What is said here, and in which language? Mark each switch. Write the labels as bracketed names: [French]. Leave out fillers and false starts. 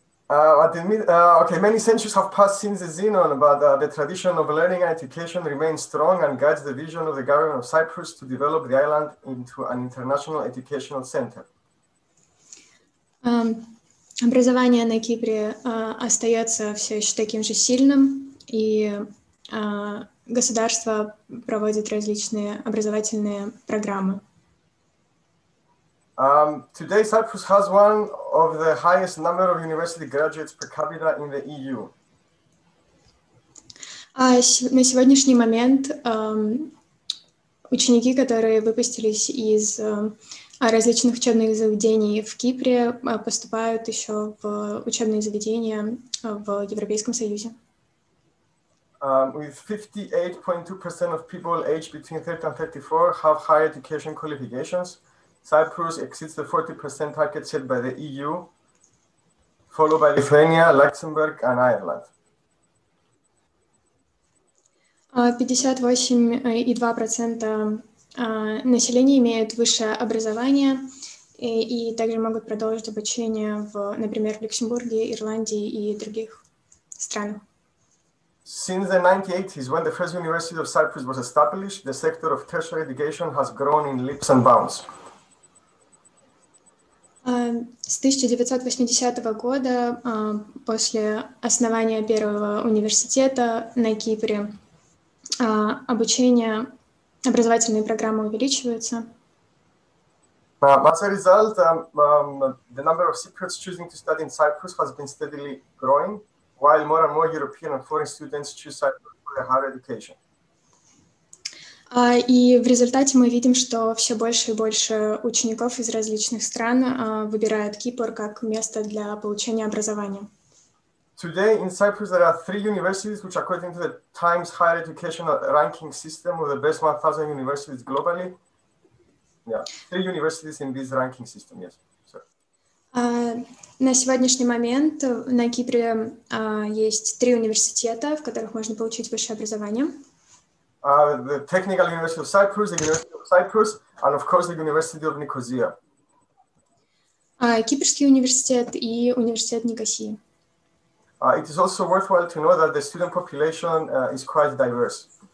[English] Many centuries have passed since the Zenon, but the tradition of learning and education remains strong and guides the vision of the government of Cyprus to develop the island into an international educational center. [Russian] Образование на Кипре остается все еще таким же сильным, и государство проводит различные образовательные программы. [English] Today Cyprus has one of the highest number of university graduates per capita in the EU. [Russian] На сегодняшний момент ученики, которые выпустились из различных учебных заведений в Кипре, поступают еще в учебные заведения в Европейском Союзе. [English] With 58.2% of people aged between 30 and 34 have higher education qualifications, Cyprus exceeds the 40% target set by the EU, followed by Lithuania, Luxembourg, and Ireland. [Russian] 58.2% населения имеют высшее образование и также могут продолжить обучение, например, в Люксембурге, Ирландии и других странах. [English] Since the 1980s, when the first University of Cyprus was established, the sector of tertiary education has grown in leaps and bounds. [Russian] С 1980 года, после основания первого университета на Кипре, обучение, образовательные программы увеличиваются. [English] As a result, the number of Cypriots choosing to study in Cyprus has been steadily growing, while more and more European and foreign students choose Cyprus for their higher education. [Russian] И в результате мы видим, что все больше и больше учеников из различных стран выбирают Кипр как место для получения образования. [English] Today in Cyprus there are 3 universities which according to the Times Higher Education Ranking System are the best 1,000 universities globally. Yeah, 3 universities in this ranking system, yes. [Russian] На сегодняшний момент на Кипре есть 3 университета, в которых можно получить высшее образование. [English] The Technical University of Cyprus, the University of Cyprus, and of course the University of Nicosia. [Russian] Кипрский университет и университет Никосии. [English] It is also worthwhile to know that the student population is quite diverse.